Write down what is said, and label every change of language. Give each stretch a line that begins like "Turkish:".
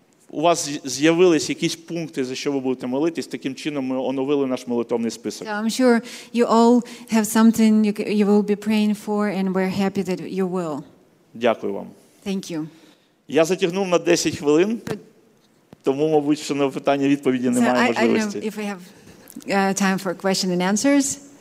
Ukrainian: У вас з'явились якісь пункти, за що ви будете молитись? Таким чином ми оновили наш молитовний список.
English: I'm sure you all have something you will be praying for, and we're happy that you will.
Ukrainian: Дякую вам.
English: Thank you.
Ukrainian: Я затягнув на 10 хвилин, тому, мабуть, що на питання-відповіді немає можливості.
English: I don't know if we have time for questions and answers.